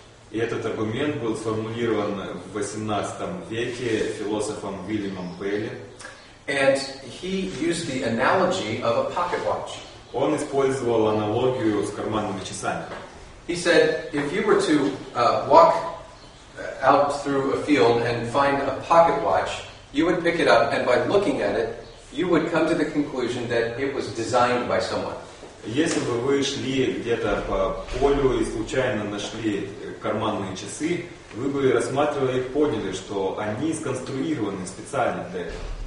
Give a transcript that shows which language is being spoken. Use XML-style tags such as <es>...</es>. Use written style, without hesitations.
<ru>И этот аргумент был сформулирован в 18 веке философом Уильямом Пейли.</ru> <en>And he used the analogy of a pocket watch.</en> <ru>Он использовал аналогию с карманными часами.</ru> <en>He said, if you were to walk out through a field and find a pocket watch, you would pick it up, and by looking at it, you would come to the conclusion that it was designed by someone.</en> <ru>Если бы вы шли где-то по полю и случайно нашли карманные часы, вы бы рассматривали их, поняли, что они сконструированы специально для этого.</ru>